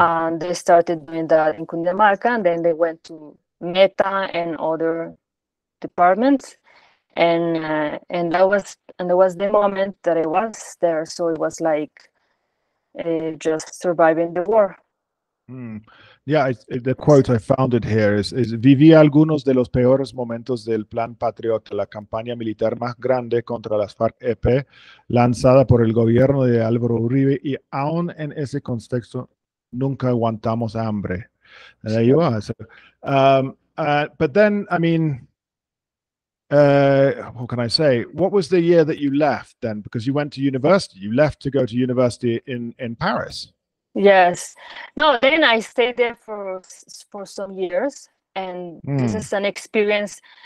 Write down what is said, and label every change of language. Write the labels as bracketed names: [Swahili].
[English] And they started doing that in Cundinamarca, and then they went to Meta and other departments. And that was the moment that I was there. So it was like just surviving the war. Mm. Yeah, the quote I found it here is [Spanish] "Viví algunos de los peores momentos del Plan Patriota, la campaña militar más grande contra las FARC-EP lanzada por el gobierno de Álvaro Uribe, y aún en ese contexto nunca aguantamos hambre." [English] And there you are. So, but then, I mean, what can I say? What was the year that you left then? Because you went to university, you left to go to university in Paris. Yes. No, then I stayed there for some years, and this is an experience.